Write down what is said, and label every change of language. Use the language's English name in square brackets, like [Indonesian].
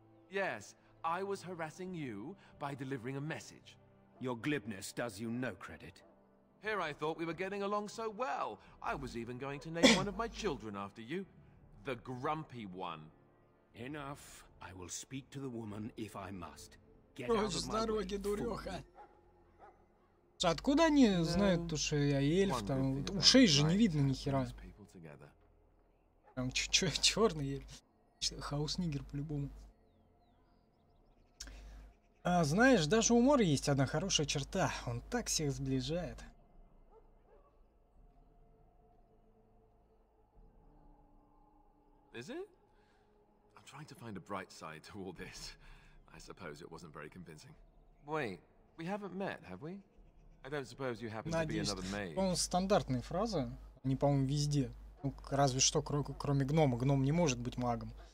[English] Yes, I was harassing you by delivering a message. Your glibness does you no credit. Here I thought we were getting along so well. I was even going to name one of my children after you. The grumpy one. Enough. I will speak to the woman if I must. Get out of my way, fool. [Russian] Дуреха. Откуда они знают, то, что я эльф? Там, ушей же не видно нихера. Там черный эльф. Хаус-нигер по-любому. А, знаешь, даже у Мора есть одна хорошая черта. Он так всех сближает. [English] Is it? I'm trying to find a bright side to all this. I suppose it wasn't very convincing. Wait, we haven't met, have we? I don't suppose you happen to be another maid. [Russian] По-моему, стандартная фраза. Они, по-моему, везде. Ну, разве что, кроме гнома. Гном не может быть магом.